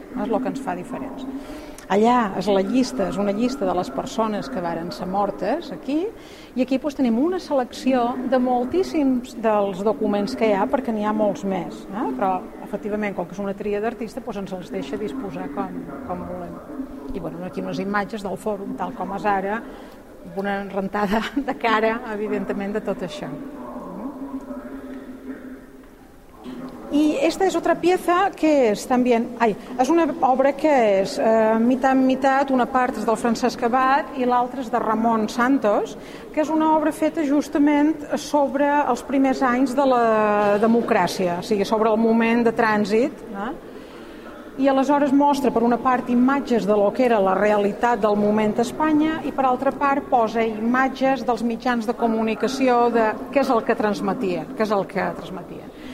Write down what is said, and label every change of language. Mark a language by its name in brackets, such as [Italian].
[Catalan] És el que ens fa diferents. Allà és la llista, és una llista de les persones que varen ser mortes aquí, i aquí tenim una selecció de moltíssims dels documents que hi ha, perquè n'hi ha molts més, però efectivament, com que és una tria d'artista, ens els deixa disposar com volem. I aquí unes imatges del fòrum tal com és ara, una rentada de cara, evidentment, de tot això. [Spanish] Y esta es otra pieza que es también... es una obra que es mitad en mitad, [Catalan] una part és del Francesc Abad i l'altra és de Ramon Santos, que és una obra feta justament sobre els primers anys de la democràcia, o sigui, sobre el moment de trànsit, I aleshores mostra, per una part, imatges de lo que era la realitat del moment a Espanya, i per altra part posa imatges dels mitjans de comunicació de què és el que transmetia, què és el que transmetia.